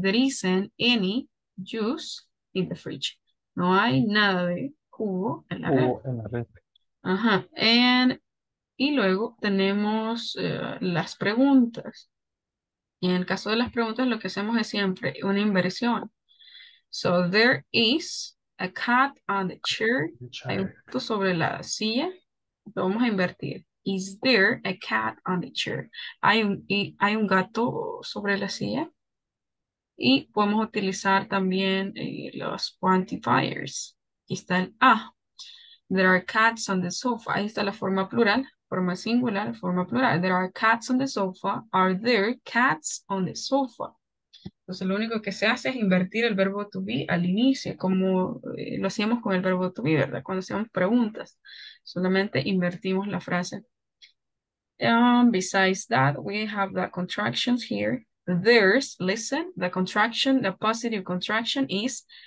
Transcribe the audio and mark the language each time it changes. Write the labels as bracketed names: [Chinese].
[English] There isn't any juice in the fridge. [Spanish] No hay nada de jugo en la red. En la red. Ajá. And, y luego tenemos las preguntas. Y en el caso de las preguntas, lo que hacemos es siempre una inversión. [English] So, there is a cat on the chair. [Spanish] Hay un gato sobre la silla. Lo vamos a invertir. [English] Is there a cat on the chair? [Spanish] ¿Hay un gato sobre la silla? Y podemos utilizar también los quantifiers. Aquí está el A. [English] There are cats on the sofa. [Spanish] Ahí está la forma plural. Forma singular, forma plural. [English] There are cats on the sofa. Are there cats on the sofa? [Spanish] Entonces, lo único que se hace es invertir el verbo to be al inicio, como lo hacíamos con el verbo to be, ¿verdad? Cuando hacíamos preguntas, solamente invertimos la frase. [English] Besides that, we have the contractions here. There's, listen, the contraction, the positive contraction is